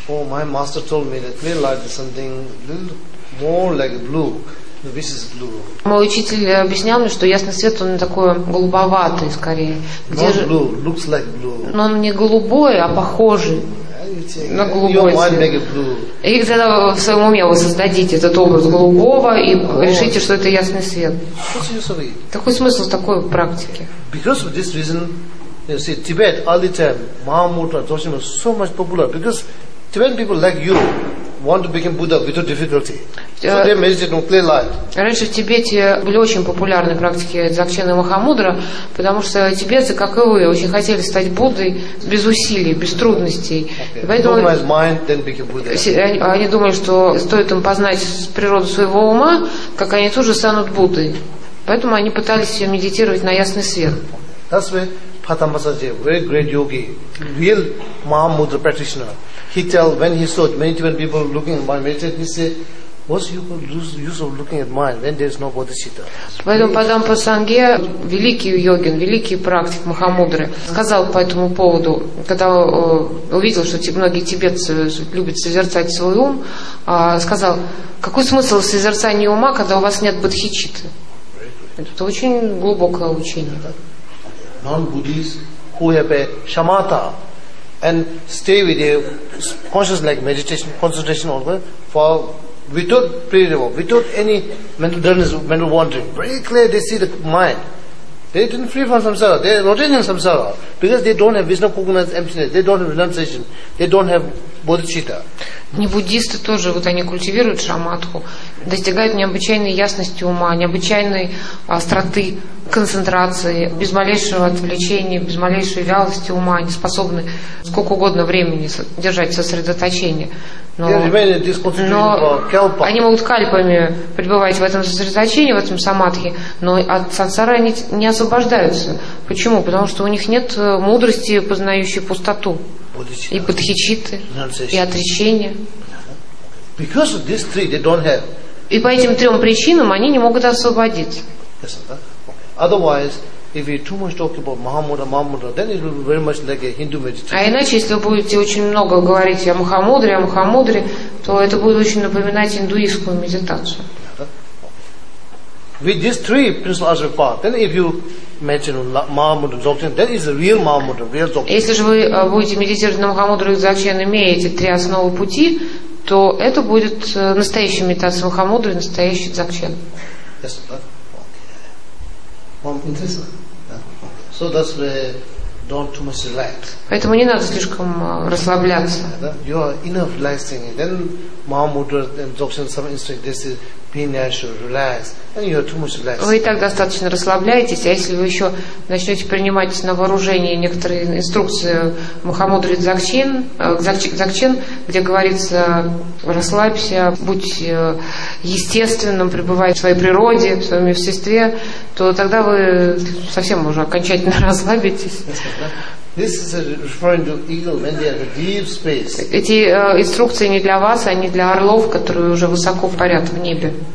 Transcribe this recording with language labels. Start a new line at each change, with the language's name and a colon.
English: My master told me that green light is something little more like blue. This is blue.
Russian: Мой учитель объяснял мне, что ясный свет он такой голубоватый, скорее. Где же?
English: Blue, looks like blue.
Russian: Но он не голубой, а похожий на голубой свет. И тогда вы в своем уме вы создадите этот образ голубого и решите, что это ясный свет. Какой смысл в такой практике?
English: Because of this reason, you see, Tibet all the time, Mahamudra, Dzogchen was so much popular because Tibetan people like you want to become Buddha without difficulty. So they meditate on clear light.
Russian: Раньше в Тибете были очень популярны практики Дзогчен и Махамудра, потому что тибетцы, как и вы, очень хотели стать Буддой без усилий, без трудностей. Okay. Поэтому они думали, что стоит им познать природу своего ума, как они тут же станут Буддой. Поэтому они пытались медитировать на ясный свет.
English: That's why Patambasaji, very great yogi, real Mahamudra practitioner. He tell when he saw many different people looking at my meditation, he said, what's the use of looking at mine when there is no bodhicitta?
Russian: Поэтому Падампа Санге, великий йогин, великий практик Махамудры, сказал по этому поводу, когда увидел, что многие тибетцы любят созерцать свой ум, сказал, какой смысл созерцания ума, когда у вас нет бодхичитты? Это очень глубокое учение.
English: Non-Buddhis who have a shamatha and stay with a conscious like meditation, concentration also for without prayer, without any mental dullness, mental wandering. Very clear they see the mind. They didn't free from samsara, they are not in samsara. Because they don't have Vishnu coconut emptiness, they don't have renunciation, they don't have bodhicitta.
Russian: Не буддисты тоже, вот они культивируют шаматху, достигают необычайной ясности ума, необычайной остроты, концентрации, без малейшего отвлечения, без малейшей вялости ума, они способны сколько угодно времени держать сосредоточение. Но они могут кальпами пребывать в этом сосредоточении, в этом самадхи, но от сансары они не освобождаются. Почему? Потому что у них нет мудрости, познающей пустоту. И бодхичитты, и отречения.
English: Because of these three, they don't have.
Russian: И по этим трем причинам они не могут освободиться.
English: Otherwise, if we too much talk about Mahamudra, Mahamudra, then it will be very much like a Hindu meditation.
Russian: А иначе, если вы будете очень много говорить о Махамудре, то это будет очень напоминать индуистскую медитацию.
English: With these three principles as a part, then if you mention Mahamudra Dzogchen, that is a real Mahamudra, real Dzogchen.
Russian: Если же вы будете медитировать на Махамудру и Дзогчен, имея эти три основы пути, то это будет настоящая медитация Махамудры и настоящий Дзогчен.
English: Yes, okay. So that's the don't too much relax.
Russian: Поэтому не надо слишком расслабляться.
English: You are enough relaxing. Then Mahamudra and Dzogchen some instruct this is
Russian: вы и так достаточно расслабляетесь, а если вы еще начнете принимать на вооружение некоторые инструкции Махамудры Дзогчен, где говорится расслабься, будь естественным, пребывай в своей природе, в своем естестве, то тогда вы совсем уже окончательно расслабитесь.
English: This is referring to eagle when they have a deep space.
Russian: Эти инструкции не для вас, они для орлов, которые уже высоко парят в небе.